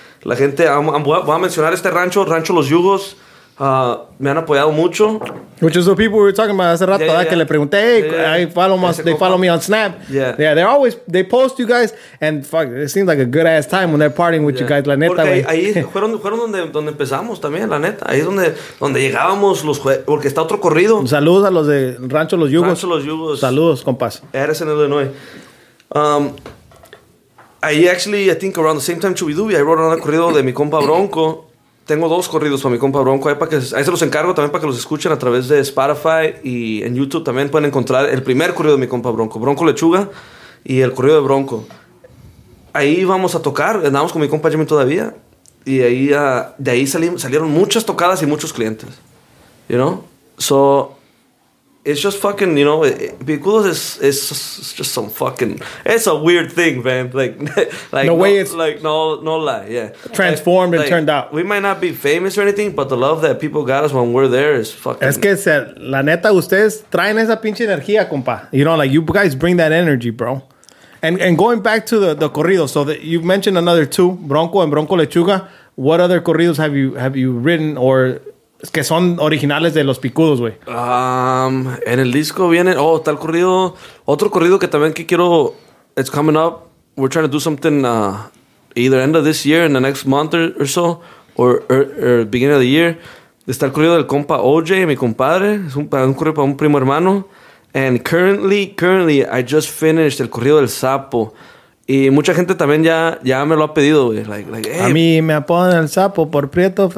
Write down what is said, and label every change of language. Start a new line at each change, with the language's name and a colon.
Spanish: Voy a mencionar este rancho, Rancho Los Yugos. Me han apoyado mucho.
English: Which is the people we were talking about
Spanish: hace rato, que le pregunté,
English: follow me on Snap. Yeah. Yeah, they post you guys, and fuck, it seems like a good ass time when they're partying with you guys,
Spanish: la neta. Porque ahí fueron donde empezamos también, la neta. Ahí es donde llegábamos los jueves, porque está otro corrido. Saludos a los de Rancho Los Yugos. Rancho Los Yugos. Saludos, compas. Eres en Illinois.
English: Ahí, actually, I think around the same time Chubidubi, I wrote another corrido
Spanish: de mi compa Bronco. Tengo dos corridos para mi compa Bronco. Ahí se los encargo también para que los escuchen a través de Spotify y en YouTube. También pueden encontrar el primer corrido de mi compa Bronco. Bronco Lechuga y el corrido de Bronco. Ahí vamos a tocar. Andamos con mi compa Jimmy todavía. Y ahí, de ahí salieron muchas tocadas y muchos clientes.
English: You know? So, it's just fucking, you know, Picudos is just some fucking, it's a weird thing, man. Like no way, it's like no lie, yeah. Transformed and turned out. We might not be famous or anything, but the love that people got us when we're there is fucking.
Spanish: Es que la neta, ustedes traen esa pinche energía, compa.
English: You know, like you guys bring that energy, bro. And going back to the corrido, so that you mentioned another two, Bronco and Bronco Lechuga. What other corridos have you written or?
Spanish: Que son originales de los Picudos, güey. En el disco viene... Oh, está el corrido... Otro corrido que también que quiero...
English: It's coming up. We're trying to do something either end of this year, in the next month or so, or beginning of the year.
Spanish: Está el corrido del compa OJ, mi compadre. Es un corrido para un primo hermano.
English: And currently, I just finished
Spanish: el corrido del Sapo. Y mucha gente también ya me lo ha pedido, güey.
English: Like, hey.
Spanish: A mí me apodan el sapo por Prieto.